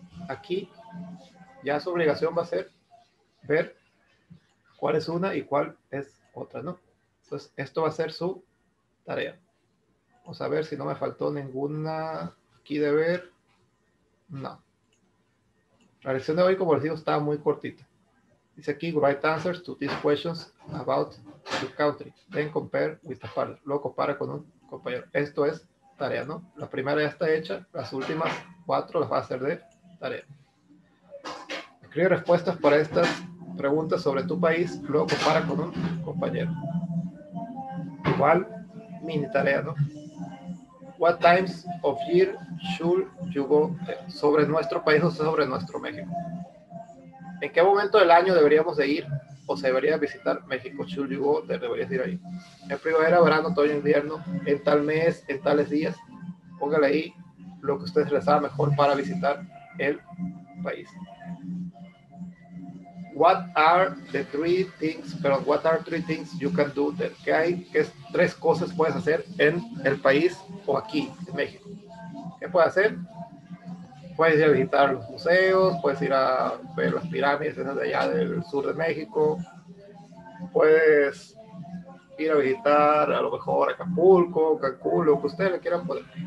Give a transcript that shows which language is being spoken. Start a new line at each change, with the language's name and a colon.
Spanish: Aquí ya su obligación va a ser ver cuál es una y cuál es otra, ¿no? Entonces, esto va a ser su tarea. Vamos a ver si no me faltó ninguna aquí de ver. No. La lección de hoy, como les digo, estaba muy cortita. Dice aquí,
English: write answers to these questions about your country. Then compare with a partner.
Spanish: Luego compara con un compañero. Esto es tarea, ¿no? La primera ya está hecha. Las últimas cuatro las va a hacer de tarea. Escribe respuestas para estas preguntas sobre tu país. Luego compara con un compañero. Igual, mini tarea, ¿no?
English: What times of year should you go
Spanish: sobre nuestro país o sobre nuestro México? ¿En qué momento del año deberíamos de ir o se debería visitar México?
English: Should you go,
Spanish: deberías ir ahí. En primavera, verano, otoño, invierno, en tal mes, en tales días. Póngale ahí lo que ustedes les haga mejor para visitar el país.
English: What are the three things, what are three things you can do there?
Spanish: ¿Qué hay? ¿Qué es tres cosas puedes hacer en el país o aquí en México? ¿Qué puedes hacer? Puedes ir a visitar los museos, puedes ir a ver las pirámides esas de allá del sur de México, puedes ir a visitar a lo mejor Acapulco, Cancún, lo que ustedes le quieran poder.